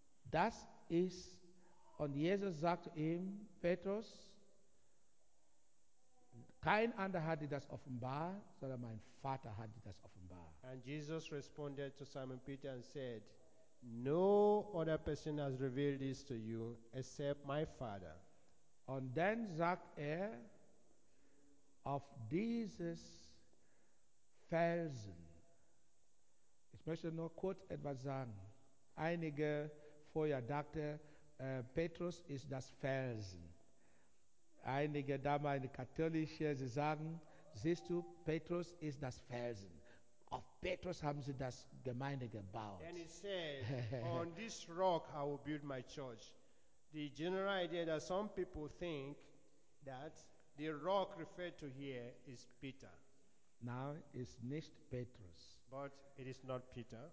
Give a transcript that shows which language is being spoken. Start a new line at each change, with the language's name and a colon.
German: Das ist, und Jesus sagt ihm, Petrus, kein anderer hat dir das offenbar, sondern mein Vater hat dir das offenbar.
English: And Jesus responded to Simon Peter and said, no other person has revealed this to you except my Father.
German: Und dann sagt er, auf dieses Felsen, ich möchte nur kurz etwas sagen, einige vorher dachten, Petrus ist das Felsen. Einige damals in der Katholischen, sie sagen, siehst du, Petrus ist das Felsen. Auf Petrus haben sie das Gemeinde gebaut.
English: And he said, on this rock I will build my church. The general idea that some people think that the rock referred to here is Peter. Now it's not Petrus. But it is not Peter.